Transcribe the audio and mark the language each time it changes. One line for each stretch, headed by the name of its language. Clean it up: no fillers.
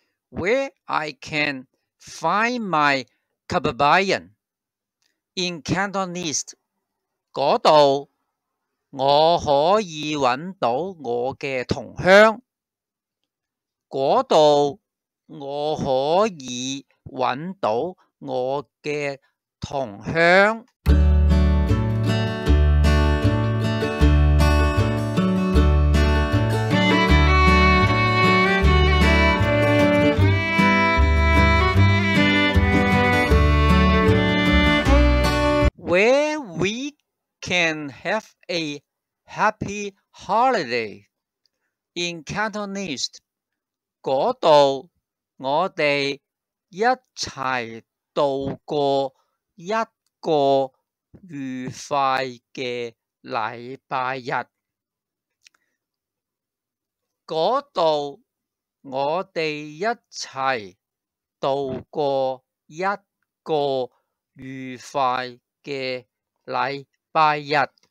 English: Where I can find my Kababayan in Cantonese.
Cantonese: 嗰度我可以揾到我嘅同鄉。嗰度我可以揾到我嘅同鄉。
English: Where we can have a happy holiday in Cantonese.
Cantonese: 嗰度我哋一齊渡過一個愉快嘅禮拜日。嗰度我哋一齊渡過一個愉快嘅禮拜日。